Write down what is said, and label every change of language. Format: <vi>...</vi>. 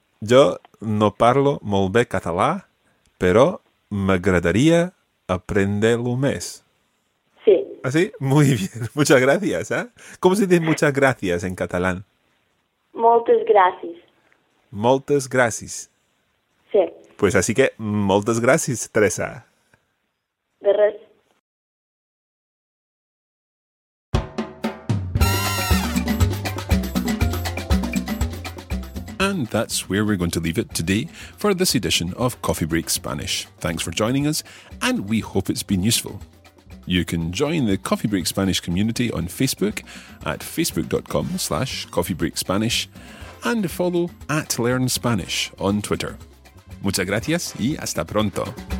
<ca>Yo no parlo molt bé català, però m'agradaria aprenderlo més. Sí.</ca> <es>¿Así? Muy bien. Muchas gracias, ¿eh? ¿Cómo se dice muchas gracias en catalán?</es> <ca>Moltes gràcies. Moltes gràcies. Sí.</ca> <es>Pues así que,</es> <ca>moltes gràcies,</ca> <es>Teresa.</es> <ca>De res.</ca> <en>And that's where we're going to leave it today for this edition of Coffee Break Spanish. Thanks for joining us, and we hope it's been useful. You can join the Coffee Break Spanish community on Facebook at facebook.com/coffeebreakspanish and follow at Learn Spanish on Twitter.</en> <es>Muchas gracias y hasta pronto.</es>